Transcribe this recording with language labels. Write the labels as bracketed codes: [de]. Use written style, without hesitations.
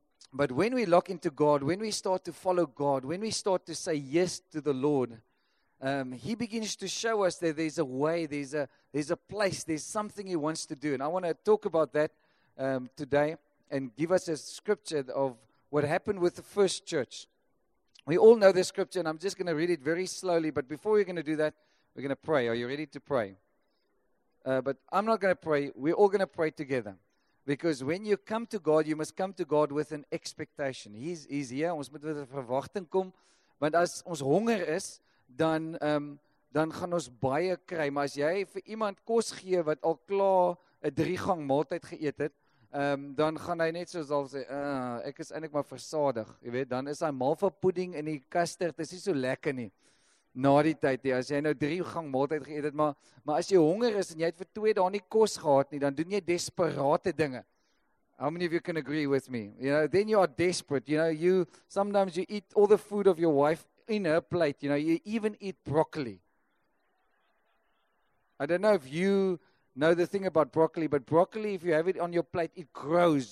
[en] But when we lock into God, when we start to follow God, when we start to say yes to the Lord, he begins to show us that there's a way, there's a place, there's something he wants to do. And I want to talk about that today and give us a scripture of what happened with the first church. We all know this scripture, and I'm just going to read it very slowly, but before we're going to do that, we're going to pray. Are you ready to pray? But I'm not going to pray. We're all going to pray together. Because when you come to God, you must come to God with an expectation. He's here. [af] Ons moet met 'n verwagting kom. Want as ons honger is, dan gaan ons baie kry. Maar as jy vir iemand kos gee wat al klaar 'n 3-gang maaltyd geëet het, dan gaan hy net soos al sê, ek is eintlik maar versadig. Jy weet, dan is hy mal vir pudding in die kaster, dis nie so lekker nie. Na die tyd, nie, as jy nou 3-gang maaltyd geëet het, maar as jy honger is en jy het vir 2 dae nie kos gehad nie, dan doen jy desperate dinge. [en] How many of you can agree with me? You know, then you are desperate. You know, sometimes you eat all the food of your wife in her plate. You know, you even eat broccoli. I don't know if you know the thing about broccoli, but broccoli, if you have it on your plate, it grows.